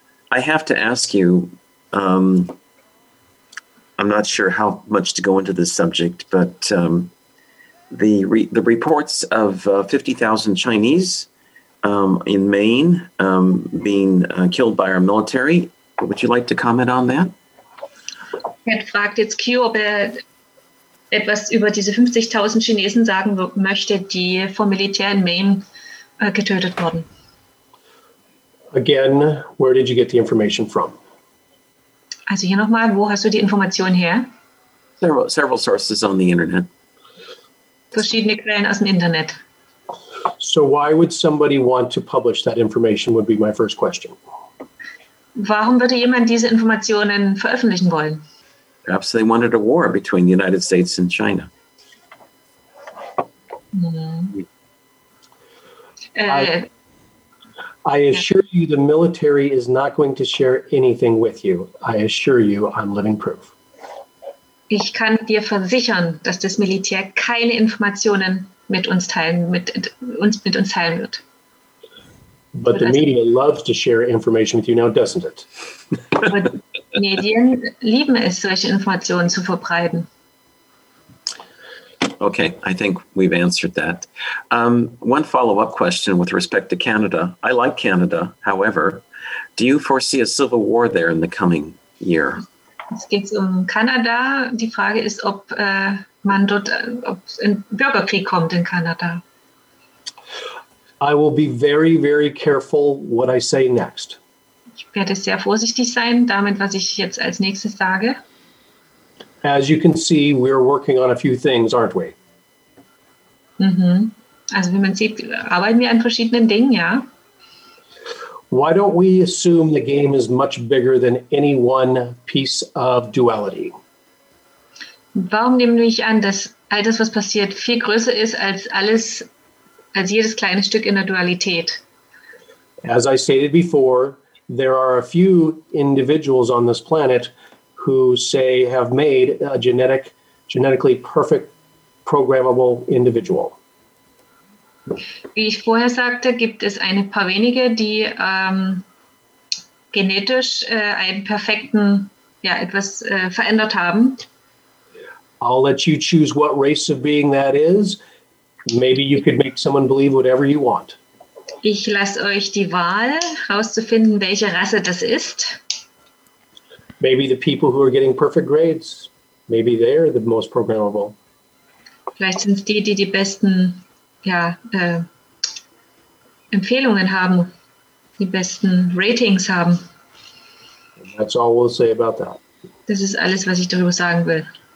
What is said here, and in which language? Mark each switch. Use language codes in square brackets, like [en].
[en] I have to ask you, I'm not sure how much to go into this subject, but the reports of 50,000 Chinese in Maine being killed by our military, would you like to comment on that? [de] Ted fragt jetzt Q, ob er etwas über diese 50.000 Chinesen sagen möchte, die vom Militär in Maine getötet wurden. [en] Again, where did you get the information from? [de] Also hier nochmal, wo hast du die Information her? [en] Several sources on the internet. [de] Verschiedene Quellen aus dem Internet. [en] So why would somebody want to publish that information would be my first question. [de] Warum würde jemand diese Informationen veröffentlichen wollen? [en] Perhaps they wanted a war between the United States and China. I assure you the military is not going to share anything with you. I assure you I'm living proof. [de] Ich kann dir versichern, dass das Militär keine Informationen mit uns teilen wird. [en] But the media loves to share information with you now, doesn't it? [de] Medien lieben es, solche Informationen zu verbreiten. [en] Okay, I think we've answered that. One follow-up question with respect to Canada. I like Canada, however, do you foresee a civil war there in the coming year? [de] Es geht um Kanada. Die Frage ist, ob es ein Bürgerkrieg kommt in Kanada. [en] I will be very, very careful what I say next. [de] Ich werde sehr vorsichtig sein damit, was ich jetzt als nächstes sage. [en] As you can see, we're working on a few things, aren't we? Mm-hmm. [de] Also wie man sieht, arbeiten wir an verschiedenen Dingen, ja. [en] Why don't we assume the game is much bigger than any one piece of duality? [de] Warum nehmen wir an, dass all das, was passiert, viel größer ist als alles, als jedes kleine Stück in der Dualität? [en] As I stated before, there are a few individuals on this planet who say have made a genetically perfect programmable individual. [de] Wie ich vorher sagte, gibt es ein paar wenige, die genetisch einen perfekten, ja, etwas verändert haben. [en] I'll let you choose what race of being that is. Maybe you could make someone believe whatever you want. [de] Ich lasse euch die Wahl, herauszufinden, welche Rasse das ist. [en] Maybe the people who are getting perfect grades, maybe they're the most programmable. [de] Vielleicht sind es die besten, ja, Empfehlungen haben, die besten Ratings haben. [en] That's all we'll say about that. [de] Das ist alles, was ich darüber sagen will.